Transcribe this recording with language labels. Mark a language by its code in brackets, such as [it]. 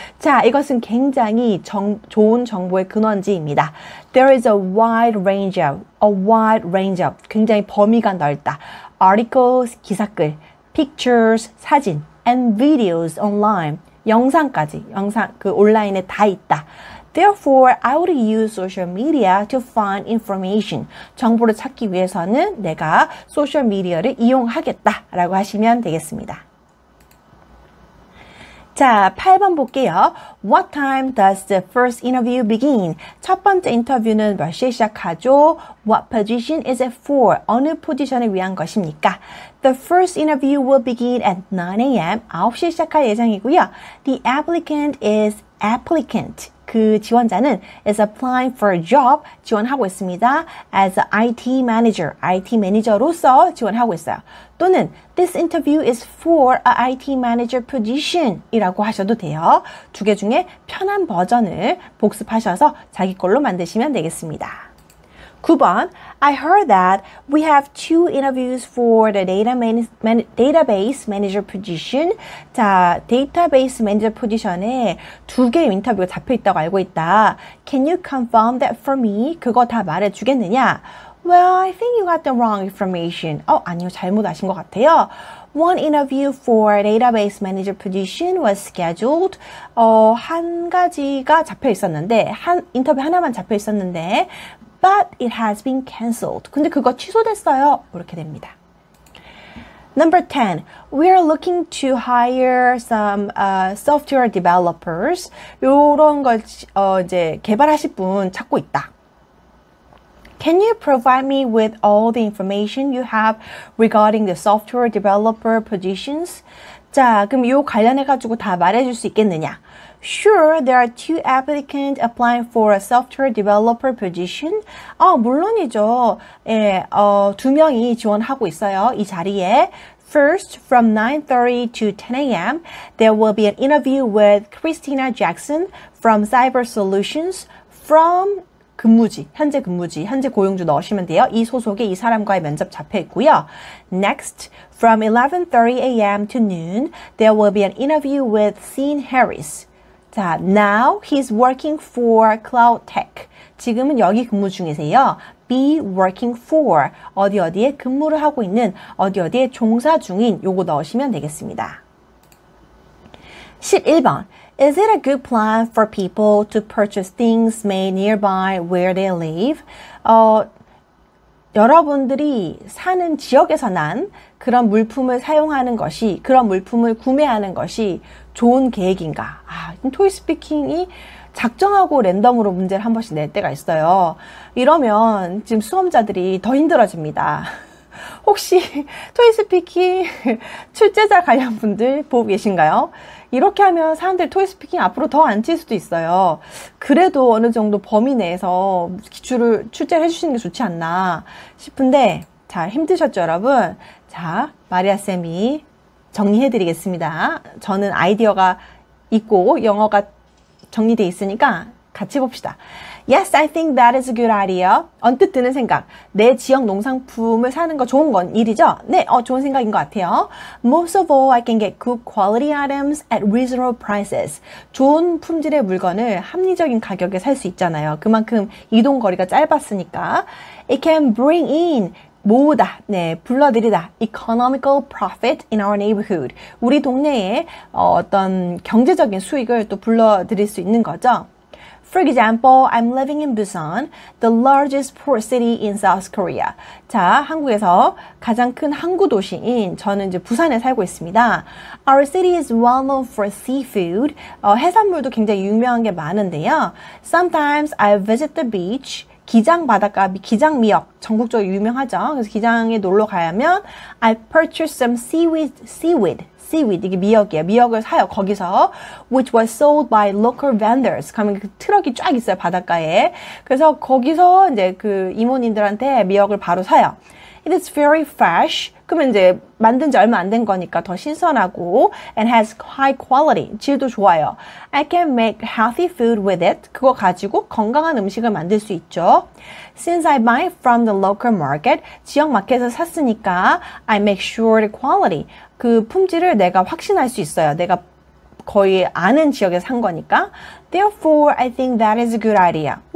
[ko] 자, 이것은 굉장히 좋은 정보의 근원지입니다. [en] There is a wide range of, a wide range of, 굉장히 범위가 넓다. Articles, 기사글, pictures, 사진, and videos online. [ko] 영상까지, 영상 그 온라인에 다 있다. [en] Therefore, I would use social media to find information. [ko] 정보를 찾기 위해서는 내가 소셜 미디어를 이용하겠다라고 하시면 되겠습니다. 자, 8번 볼게요. [en] What time does the first interview begin? [ko] 첫 번째 인터뷰는 몇 시에 시작하죠? [en] What position is it for? [ko] 어느 포지션을 위한 것입니까? [en] The first interview will begin at 9 a.m. [ko] 9시에 시작할 예정이고요. [en] The applicant is applicant. [ko] 그 지원자는 [en] is applying for a job, [ko] 지원하고 있습니다. [en] As an IT manager, [ko] IT 매니저로서 지원하고 있어요. 또는 [en] this interview is for an IT manager position [ko] 이라고 하셔도 돼요. 두 개 중에 편한 버전을 복습하셔서 자기 걸로 만드시면 되겠습니다. [en] 9번, I heard that we have two interviews for the database manager position. [ko] 자, 데이터베이스 매니저 포지션에 두 개의 인터뷰가 잡혀 있다고 알고 있다. [en] Can you confirm that for me? [ko] 그거 다 말해주겠느냐? [en] Well, I think you got the wrong information. [ko] 아니요, 잘못 아신 것 같아요. [en] One interview for database manager position was scheduled. [ko] 한 가지가 잡혀 있었는데, 인터뷰 하나만 잡혀 있었는데, [en] But it has been cancelled. [ko] 근데 그거 취소됐어요. 이렇게 됩니다. [en] Number 10. We are looking to hire some software developers. [ko] 이런 걸 이제 개발하실 분 찾고 있다. [en] Can you provide me with all the information you have regarding the software developer positions? [ko] 자, 그럼 이 관련해가지고 다 말해줄 수 있겠느냐? [en] Sure, there are two applicants applying for a software developer position. [ko] 물론이죠. 예, 두 명이 지원하고 있어요. 이 자리에. [en] First, from 9:30 to 10 a.m., there will be an interview with Christina Jackson from Cyber Solutions from [ko] 근무지, 현재 근무지, 현재 고용주 넣으시면 돼요. 이 소속에 이 사람과의 면접 잡혀 있고요. [en] Next, from 11:30 a.m. to noon, there will be an interview with Sean Harris. 자, now he's working for cloud tech. [ko] 지금은 여기 근무 중이세요. [en] be working for, [ko] 어디 어디에 근무를 하고 있는, 어디 어디에 종사 중인, 요거 넣으시면 되겠습니다. 11번. [en] Is it a good plan for people to purchase things made nearby where they live? [ko] 여러분들이 사는 지역에서 난 그런 물품을 사용하는 것이, 그런 물품을 구매하는 것이 좋은 계획인가? 토익스피킹이 작정하고 랜덤으로 문제를 한 번씩 낼 때가 있어요. 이러면 지금 수험자들이 더 힘들어집니다. 혹시 토익스피킹 출제자 관련 분들 보고 계신가요? 이렇게 하면 사람들 토익스피킹 앞으로 더 안 칠 수도 있어요. 그래도 어느 정도 범위 내에서 기출을 출제를 해주시는 게 좋지 않나 싶은데 자, 힘드셨죠, 여러분? 자, 마리아쌤이 정리해드리겠습니다. 저는 아이디어가 있고 영어가 정리되어 있으니까 같이 봅시다. [en] Yes, I think that is a good idea. [ko] 언뜻 드는 생각. 내 지역 농산품을 사는 거 좋은 건 일이죠? 네, 좋은 생각인 것 같아요. [en] Most of all, I can get good quality items at reasonable prices. [ko] 좋은 품질의 물건을 합리적인 가격에 살 수 있잖아요. 그만큼 이동 거리가 짧았으니까. [en] It can bring in [ko] 모으다, 네, 불러들이다. [en] Economical profit in our neighborhood. [ko] 우리 동네에 어떤 경제적인 수익을 또 불러들일 수 있는 거죠. [en] For example, I'm living in Busan, the largest port city in South Korea. [ko] 자, 한국에서 가장 큰 항구 도시인 저는 이제 부산에 살고 있습니다. [en] Our city is well known for seafood. [ko] 해산물도 굉장히 유명한 게 많은데요. [en] Sometimes I visit the beach. [ko] 기장 바닷가, 기장 미역, 전국적으로 유명하죠. 그래서 기장에 놀러 가려면 [en] I purchased some seaweed, [ko] 이게 미역이에요. 미역을 사요, 거기서. [en] Which was sold by local vendors. [ko] 가면 그 트럭이 쫙 있어요, 바닷가에. 그래서 거기서 이제 그 이모님들한테 미역을 바로 사요. [en] It is very fresh. [ko] 그러면 이제 만든 지 얼마 안 된 거니까 더 신선하고 [en] and has high quality. [ko] 질도 좋아요. [en] I can make healthy food with it. [ko] 그거 가지고 건강한 음식을 만들 수 있죠. [en] Since I buy from the local market, [ko] 지역 마켓에서 샀으니까 [en] I make sure the quality. [ko] 그 품질을 내가 확신할 수 있어요. 내가 거의 아는 지역에서 산 거니까. [en] Therefore, I think that is a good idea.